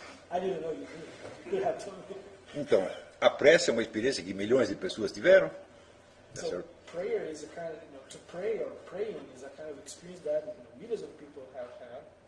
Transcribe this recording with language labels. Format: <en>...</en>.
<en>I didn't know you did. You have to.</en> <pt>Então, a prece é uma experiência que milhões de pessoas tiveram.</pt> <en>So, prayer is a kind of, you know, to pray or praying is a kind of experience that, you know, millions of people have had.</en>